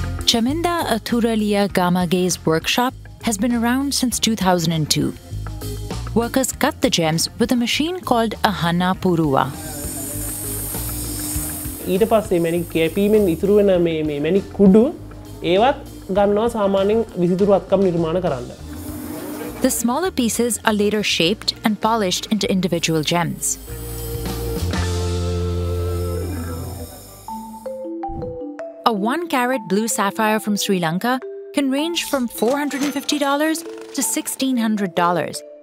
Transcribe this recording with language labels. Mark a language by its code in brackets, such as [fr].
[en] Chaminda Athuraliya Gamage's workshop has been around since 2002. Workers cut the gems with a machine called a hana puruwa. [si] ඊට පස්සේ මැණික් කැපීමෙන් ඉතුරු වෙන මේ මේ මැණික් කුඩු ඒවත් ගන්නවා සාමාන්‍යයෙන් විසිතුරු අත්කම් නිර්මාණ කරන්න. [en] The smaller pieces are later shaped and polished into individual gems. A 1-carat blue sapphire from Sri Lanka can range from $450 to $1,600.